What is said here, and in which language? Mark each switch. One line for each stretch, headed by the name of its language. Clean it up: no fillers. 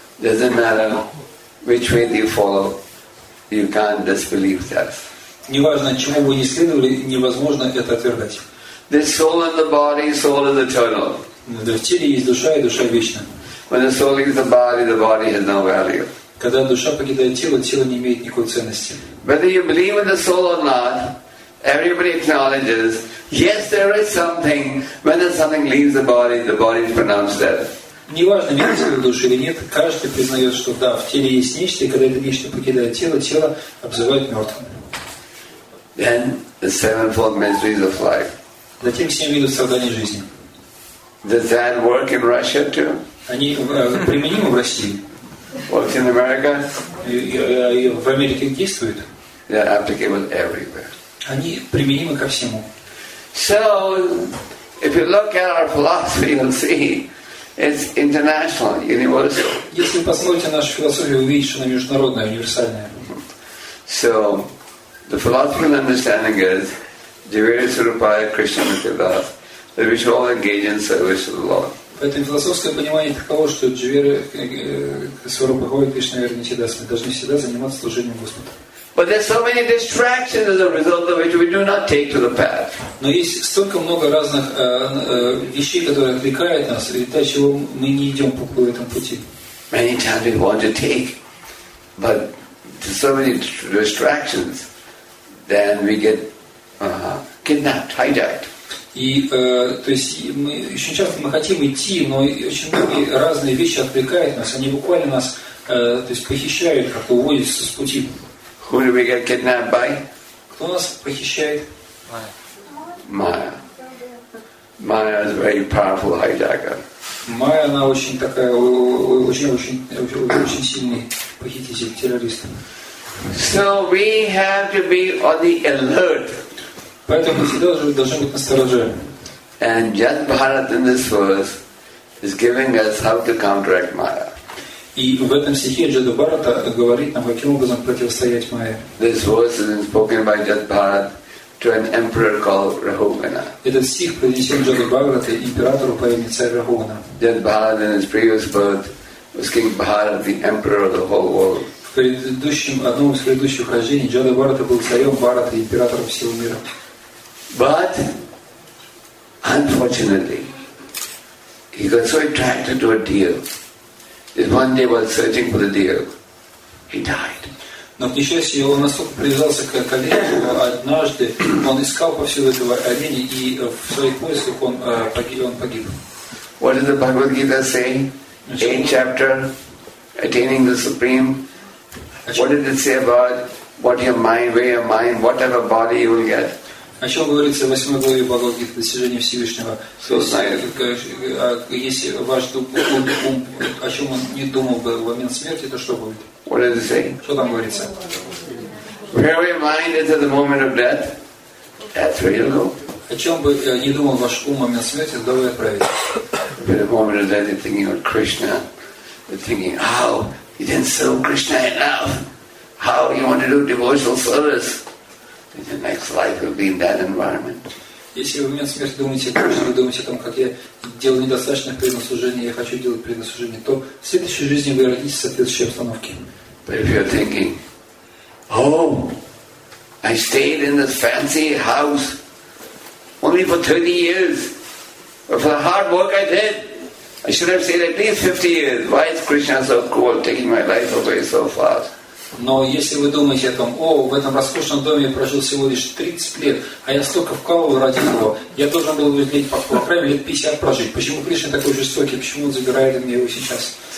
English: Doesn't matter which way you follow, you can't disbelieve that.
Russian: Неважно, чему вы не следовали, невозможно это отвергать.
English: The soul and the body, soul is eternal.
Russian: В теле есть душа и душа вечна.
English: When the soul leaves the body has no value.
Russian: Когда душа покидает тело, тело не имеет никакой ценности.
English: Whether you believe in the soul or not, everybody acknowledges, yes, there is something. Whether something leaves the body is pronounced dead.
Russian: Неважно, верите ли в душу или нет, каждый признает, что да, в теле есть нечто, и когда это нечто покидает тело, тело обзывает мертвым.
English: Then the sevenfold miseries of life.
Russian: Затем семь видов страданий жизни.
English: Does that work in Russia too?
Russian: Они применимы в России.
English: Works in America?
Russian: В Америке действует.
English: They're applicable everywhere.
Russian: Они применимы ко всему.
English: So, if you look at our philosophy, you'll see it's international, universal.
Russian: Если вы посмотрите на нашу философию, вы увидите, что она международная, универсальная.
English: So, the philosophical understanding is Jivere Surupaya Krishna Mithyabhas that we should all engage in service to the Lord.
Russian: Поэтому философское понимание таково, что Дживера Сварупахова Кришна Вернитидас, мы должны всегда заниматься служением Господа.
English: But there's so many distractions as a result of which we do not take to the path.
Russian: Но есть столько много разных вещей, которые отвлекают нас, и из-за чего мы не идем по этому пути.
English: Many times we want to take, but there's so many distractions, then we get kidnapped, hijacked.
Russian: И то есть мы очень часто мы хотим идти, но очень многие разные вещи отвлекают нас, они буквально нас то есть похищают, как уводят с пути.
English: Who do we get kidnapped by?
Russian: Кто нас похищает? Майя.
English: Майя is a very powerful hijacker.
Russian: Майя, она очень такая очень сильный похититель, террорист.
English: So we have to be on the alert.
Russian: Поэтому всегда должны быть настороже.
English: And just Bharat in this verse is giving us how to counteract Maya.
Russian: И в этом стихе Джада Бхарата говорит нам, каким образом противостоять Майе.
English: This verse is spoken by Jada Bharat to an emperor called Raghuvana.
Russian: Этот стих принесен Джану Бхагавате императору по имени царь Рахуна.
English: Джан Бхарат in his previous birth was King Bharat, the emperor of the whole world.
Russian: В предыдущем, одном из предыдущих рождений Джану Бхарата был царем Бхарата, императором всего мира.
English: But unfortunately, he got so attracted to a deer. That one day while searching for the deer, he died.
Russian: Но к несчастью, он настолько привязался к оленю, однажды он искал повсюду этого оленя, и в своих поисках он погиб.
English: What does the Bhagavad Gita say? Eighth chapter, attaining the supreme. What did it say about what your mind, where your mind, whatever body you will get?
Russian: О чем говорится в 8 главе Бхагавад Гиты, достижение Всевышнего?
English: So
Russian: если ваш ум, о чем он не думал бы в момент смерти, то что будет?
English: What does it say?
Russian: Что там говорится?
English: Where your mind is at the moment of death, that's where you'll go.
Russian: О чем бы не думал ваш ум в момент смерти, туда вы отправитесь.
English: At the moment of death, you're thinking of Krishna. You're thinking, how? You didn't serve Krishna enough. How you want to do devotional service? In the next life, you'll be in that environment.
Russian: Если вы в момент смерти думаете о Кришне, вы думаете о том, как я делал недостаточно предослужения, я хочу делать предослужения, то в следующей жизни вы родитесь в соответствующей обстановке.
English: But if you're thinking, oh, I stayed in this fancy house only for 30 years, but for the hard work I did, I should have stayed at least 50 years. Why is Krishna so cruel taking my life away so fast?
Russian: Но если вы думаете о том, о, в этом роскошном доме я прожил всего лишь 30 лет, а я столько вкалывал ради него, я должен был лет, по крайней мере, лет 50 прожить. Почему Кришна такой жестокий? Почему он забирает у меня его сейчас?